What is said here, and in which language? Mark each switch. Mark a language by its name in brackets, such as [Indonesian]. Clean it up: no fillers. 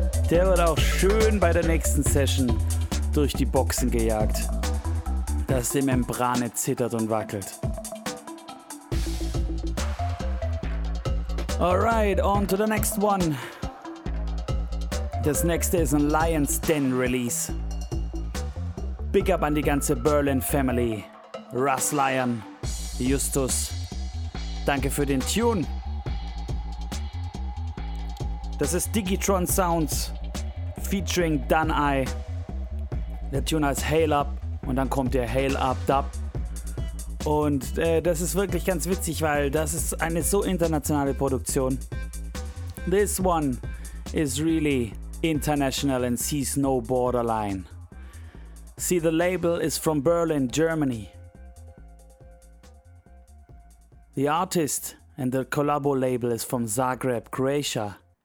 [German] Der wird auch schön bei der nächsten Session durch die Boxen gejagt, dass die Membrane zittert und wackelt. [English] Alright, on to the next one. [German] Das nächste ist ein Lion's Den Release. [English] Big up [German] an die ganze Berlin Family. Russ Lion, Justus, danke für den Tune. Das ist Digitron Sounds featuring Dunai. Der Tune heißt Hail Up und dann kommt der Hail Up Dub. Und das ist wirklich ganz witzig, weil das ist eine so internationale Produktion. [English] This one is really international and sees no borderline. See, the label is from Berlin, Germany. The artist and the collabo label is from Zagreb, Croatia.